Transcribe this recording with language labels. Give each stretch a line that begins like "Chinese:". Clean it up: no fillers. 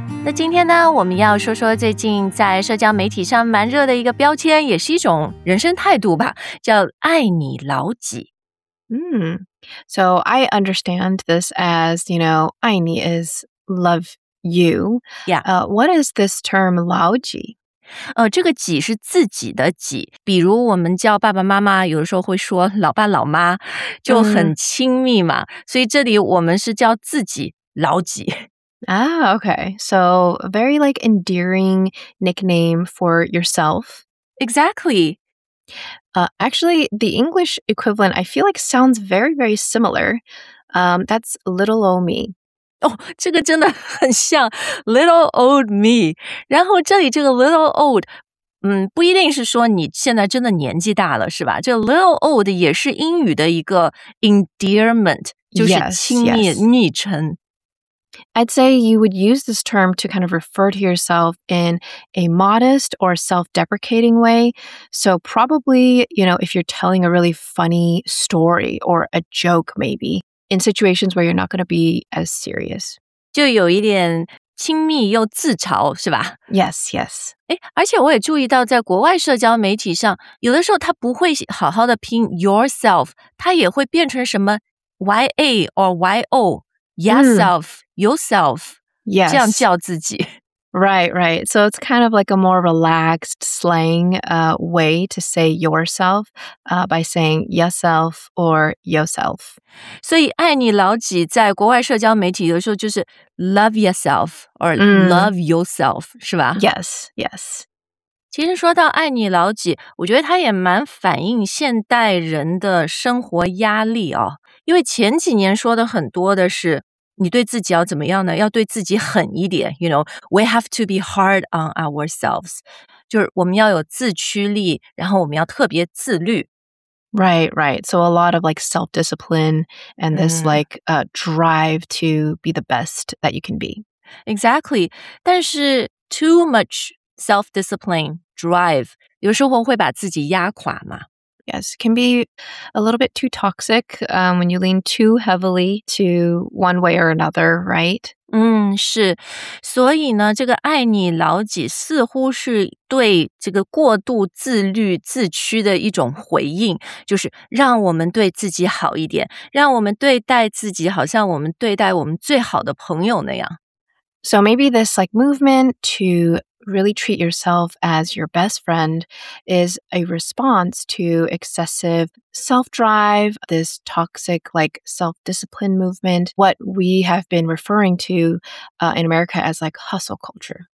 Chinese: 那今天呢，我们要说说最近在社交媒体上蛮热的一个标签，也是一种人生态度吧，叫“爱你老几”。
English: So I understand this as, you know,
Chinese: 爱你
English: is love you. Yeah. What is this term, 老几？
Chinese: 这个几是自己的几，比如我们叫爸爸妈妈，有的时候会说老爸老妈，就很亲密嘛。所以这里我们是叫自己老几。
English: Ah, okay. So very like endearing nickname for yourself. Exactly. Actually, the English equivalent, I feel like sounds very, very similar. That's little old me.
Chinese: 这个真的很像
English: little old me.
Chinese: 然后这里这个 little old, 不一定是说你现在真的年纪大了是吧，这 little old 也是英语的一个 endearment, 就是亲密昵称。
English: I'd say you would use this term to kind of refer to yourself in a modest or self-deprecating way. So probably, you know, if you're telling a really funny story or a joke maybe. In situations where you're not going to be as serious.
Chinese: 就有一点亲密又自嘲是吧
English: Yes, yes.
Chinese: 而且我也注意到在国外社交媒体上有的时候它不会好好的拼 yourself, 它也会变成什么
English: YA or YO, yourself, yourself, yes.
Chinese: 这样叫自己。
English: Right, right. So it's kind of like a more relaxed slang way to say yourself by saying yourself or yourself.
Chinese: 所以爱你老几在国外社交媒体有时候就是
English: love yourself or love yourself,
Chinese: 是吧
English: Yes, yes.
Chinese: 其实说到爱你老几我觉得它也蛮反映现代人的生活压力哦。因为前几年说的很多的是你对自己要怎么样呢？要对自己狠一点 ，
English: you know. We have to be hard on ourselves.
Chinese: 就是我们要有自驱力，然后我们要特别自律。
English: Right, right. So a lot of like self-discipline and this like drive to be the best that you can be. Exactly.
Chinese: 但是
English: too much self-discipline drive
Chinese: 有时候会把自己压垮嘛。
English: Yes, can be a little bit too toxic when you lean too heavily to one way or another, right?
Chinese: 是。所以呢，这个爱你老几似乎是对这个过度自律自驱的一种回应，就是让我们对自己好一点，让我们对待自己好像我们对待我们最好的朋友那样。
English: So maybe this like movement to... really treat yourself as your best friend is a response to excessive self-drive, this toxic, like, self-discipline movement, what we have been referring to in America as, like, hustle culture.